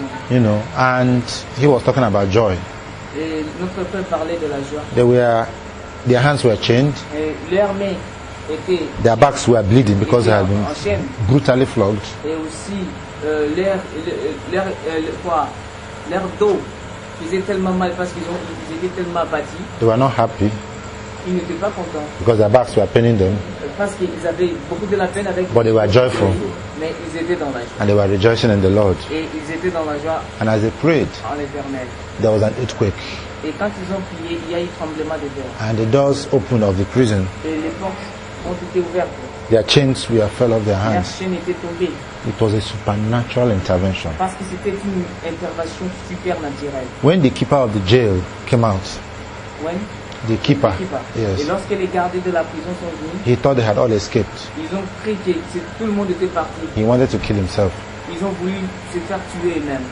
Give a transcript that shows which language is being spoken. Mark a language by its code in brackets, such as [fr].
[en] You know, and he was talking about joy. Their hands were chained. Their backs were bleeding because they had been brutally flogged. [fr] Leur dos faisait tellement mal parce qu'ils étaient tellement bâti. [en] They were not happy. [fr] Ils n'étaient pas contents. [en] Because their backs were paining them. [fr] Parce qu'ils avaient beaucoup de la peine avec. [en] But they were joyful. [fr] Mais ils étaient dans la joie. [en] And they were rejoicing in the Lord. [fr] Et ils étaient dans la joie. [en] And as they prayed, [fr] en l'Éternel, [en] there was an earthquake. [fr] Et quand ils ont prié, il y a eu tremblement de terre. [en] And the doors opened of the prison. [fr] Et les portes ont été ouvertes. [en] Their chains were fell off their hands. [fr] Leurs chaînes étaient tombées. [en] It was a supernatural intervention. [fr] Parce que c'était une intervention supernaturelle. [en] When the keeper of the jail came out, when the keeper, yes. [fr] Et lorsque les gardes de la prison sont venus, [en] he thought they had all escaped. [fr] Ils ont cru que tout le monde était parti. [en] He wanted to kill himself. [fr] Ils ont voulu se faire tuer eux-mêmes.